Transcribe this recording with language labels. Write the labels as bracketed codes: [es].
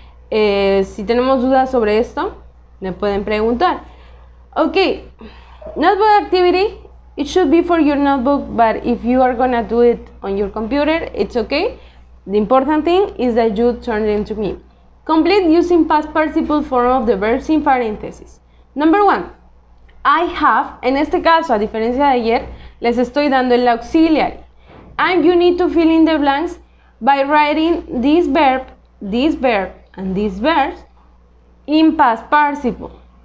[es] Si tenemos dudas sobre esto, me pueden preguntar. [en] Okay, notebook activity, it should be for your notebook, but if you are gonna do it on your computer, it's okay. The important thing is that you turn it into me. Complete using past participle form of the verbs in parentheses. Number one, I have, [es] en este caso, a diferencia de ayer, les estoy dando el auxiliary. [en] And you need to fill in the blanks by writing this verb, and this verb in past participle.